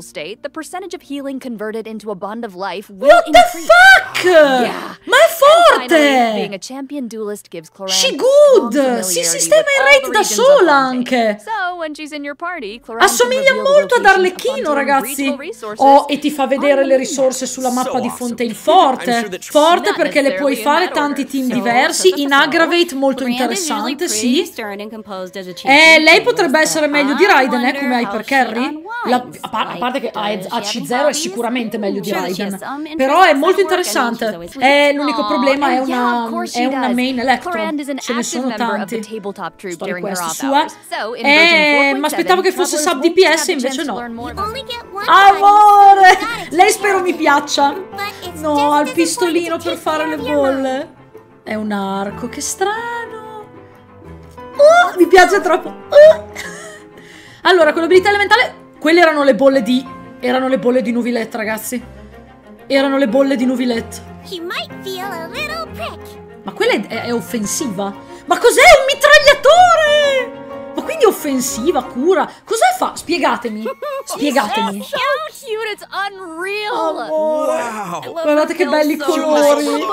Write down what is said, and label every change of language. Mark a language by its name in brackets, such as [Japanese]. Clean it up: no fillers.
[English] State, the percentage of healing converted into a bond of life. What the fuck? Yeah. [Italian] Ma è forte. [English] Finally, being a champion duelist gives Clorinde. She good. [Italian] Si sistema il rate da sola anche. [English] So when she's in your party, [Italian] assomiglia molto ad Arlecchino, ragazzi. Oh, e ti fa vedere le risorse sulla mappa di Fontaine forte. Forte perché le puoi fare tanti team diversi in aggravate molto interessante, sì. Lei potrebbe essere meglio di Raiden. Non è come Hyper Carry? A parte che AC0 è sicuramente meglio di Raiden. Però è molto interessante. È l'unico problema è una main electro. Ce ne sono tanti. Ma aspettavo che fosse sub DPS, invece no. Amore! Lei spero mi piaccia. No, ha il pistolino per fare le bolle. È un arco, che strano. Mi piace troppo. Allora, quell'abilità elementale, quelle erano le bolle di... Erano le bolle di Nuvilette, ragazzi. Erano le bolle di Nuvilette. [English] He might feel a little prick. [Italian] Ma quella è offensiva? Ma cos'è un mitragliatore? Ma quindi offensiva, cura? Cos'è fa? Spiegatemi. Spiegatemi. [English] How cute, it's unreal. [Italian] Amore. Wow. Guardate che belli colori.